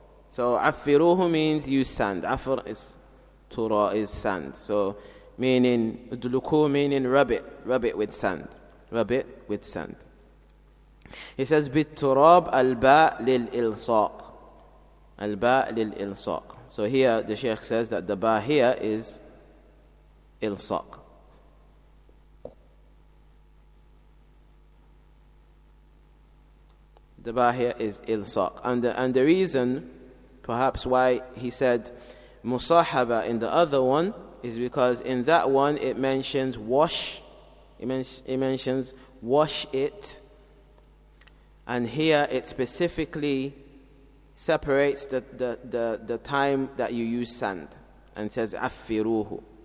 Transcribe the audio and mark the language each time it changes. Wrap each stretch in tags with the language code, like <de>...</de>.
<en>So عفروه means use sand. عفر is tura, is sand. So meaning أدلكوه meaning rub it with sand. Rub it with sand. He says</en> <ar>بالتراب الباء للإلصاق. الباء للإلصاق.</ar> <en>So here the Sheikh says that the ba here is ilsaq. The ba here is ilsaq. And the reason perhaps why he said musahaba in the other one is because in that one it mentions wash, it mentions wash it, and here it specifically separates the time that you use sand and says affiruhu.</en>